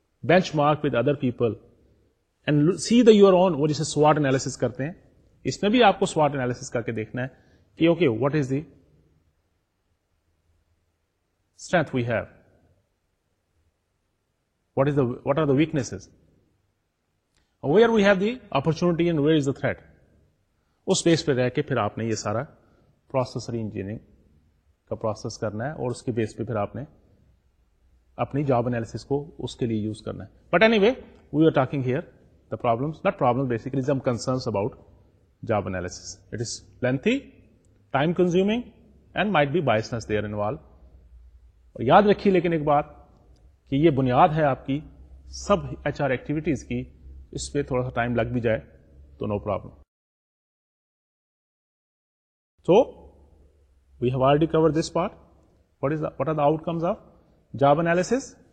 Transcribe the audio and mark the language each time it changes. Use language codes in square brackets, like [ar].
[en] benchmark with other people and see the your own, which is a SWOT analysis [ur] karte hain, isme bhi aapko SWOT analysis karke dekhna hai ki [en] okay, what is the strength we have, what are the weaknesses, where we have the opportunity and where is the threat. [ur] Us space pe rehke phir aapne ye sara process re engineering کا process کرنا ہے, اور اس کے بیس پہ پھر آپ نے اپنی جاب انالیسس کو اس کے لیے یوز کرنا ہے. [en] But anyway we are talking here the problems, not problem basically some concerns about job analysis. It is lengthy, time consuming and might be biasness there involved. [ur] اور یاد رکھیے لیکن ایک بات, کہ یہ بنیاد ہے آپ کی سب ایچ آر ایکٹیویٹیز کی, اس پہ تھوڑا سا ٹائم لگ بھی جائے تو [en] No problem. So, we have already covered this part. What are the outcomes of job analysis?